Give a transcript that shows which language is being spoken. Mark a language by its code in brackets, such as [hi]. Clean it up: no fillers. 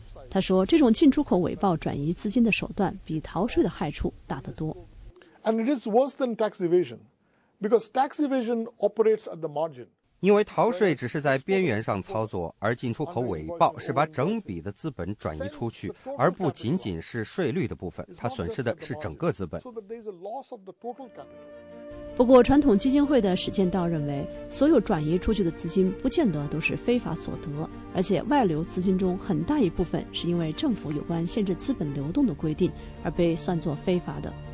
[zh] 他说，这种进出口伪报转移资金的手段比逃税的害处大得多。 [en] And it is worse than tax evasion, because tax evasion operates at the margin. [zh] 因为逃税只是在边缘上操作，而进出口伪报是把整笔的资本转移出去，而不仅仅是税率的部分，它损失的是整个资本。不过，传统基金会的史建道认为，所有转移出去的资金不见得都是非法所得，而且外流资金中很大一部分是因为政府有关限制资本流动的规定而被算作非法的。